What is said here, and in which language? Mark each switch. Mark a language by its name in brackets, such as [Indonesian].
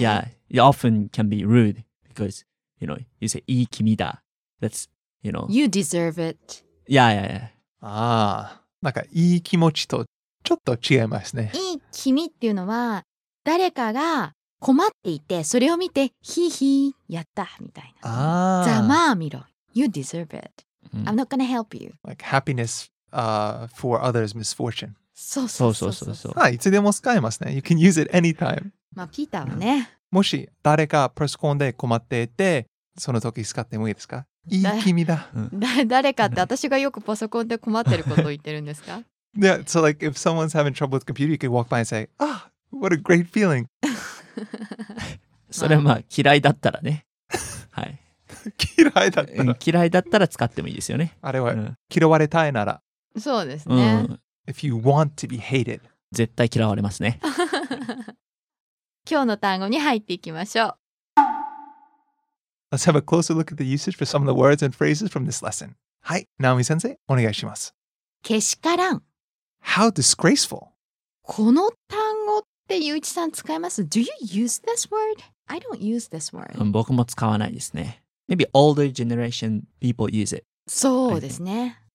[English] YeahIt often can be rude because, you know, you say, [Japanese] いい気味だ. [English] That's, you know. You deserve it. Yeah, yeah, yeah. [Japanese] ああ、なんかいい気持ちとちょっと違いますね。いい気味っていうのは、誰かが困っていて、それを見て、ヒーヒー、やったみたいな。ああ。ざまあ見ろ。 [English] You deserve it.、I'm not gonna help you. Like happiness, for others' misfortune. [Japanese] そうそうそうそうそう。はい、いつでも使えますね。 [English] You can use it anytime. [Japanese] まあ、ピーターはね。もし誰かプロスコンで困っていて、その時使ってもいいですか？いい気味だ。誰かって私がよくパソコンで困ってることを言ってるんですか？ [English] Yeah, so like if someone's having trouble with computer, you can walk by and say, ah,、oh, what a great feeling. [Japanese] それはまあ嫌いだったらね。はい。嫌いだったら。嫌いだったら使ってもいいですよね。あれは、嫌われたいなら。そうですね。 [English] If you want to be hated. [Japanese] 絶対嫌われますね。今日の単語に入っていきましょう。 [English] Let's have a closer look at the usage for some of the words and phrases from this lesson. [Japanese] はい、ナオミ先生、お願いします。けしからん。 [English] How disgraceful. [Japanese] この単語ってユイチさん使います? [English] Do you use this word? I don't use this word. [Japanese] 僕も使わないですね。 [English] Maybe older generation people use it. [Japanese] そうですね。